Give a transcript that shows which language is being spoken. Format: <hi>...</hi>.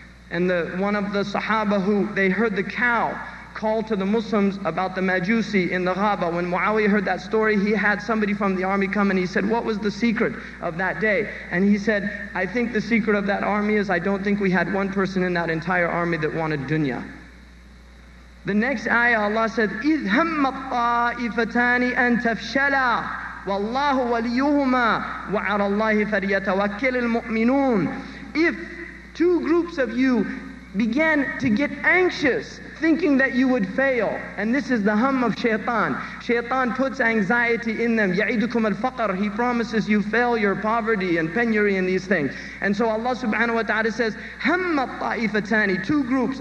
<en>And one of the Sahaba who, they heard the cow call to the Muslims about the Majusi in the Ghaba. When Muawiyah heard that story, he had somebody from the army come and he said, what was the secret of that day? And he said, I think the secret of that army is, I don't think we had one person in that entire army that wanted dunya. The next ayah, Allah said,</en> <ar>إِذْ هَمَّ الطَّائِفَتَانِ أَن تَفْشَلَى وَاللَّهُ وَلِيُّهُمَا وَعَلَى اللَّهِ فَلْيَتَوَكِّلِ الْمُؤْمِنُونَ.</ar> <en>If two groups of you began to get anxious, thinking that you would fail, and this is the hum of shaitan. Shaitan puts anxiety in them.</en> <ar>Ya'idukum al-faqr.</ar> <en>He promises you failure, poverty, and penury in these things. And so Allah subhanahu wa ta'ala says,</en> <ar>hamma ta'ifatani,</ar> <en>two groups.</en>